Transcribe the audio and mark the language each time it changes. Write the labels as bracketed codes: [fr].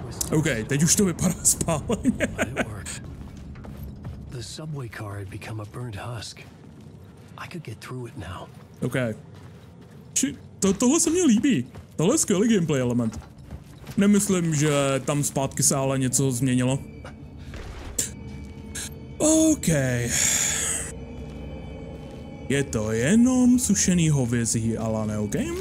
[cs] Okay, teď už to vypadá spáleně. [en] The subway car had become a burnt husk. I could get through it now. [cs] Okay. Tohle se mi líbí. Tohle je skvělý gameplay element. Nemyslím, že tam zpátky se ale něco změnilo. Okay. Je to jenom sušený hovězí, Alane, okej? Okay?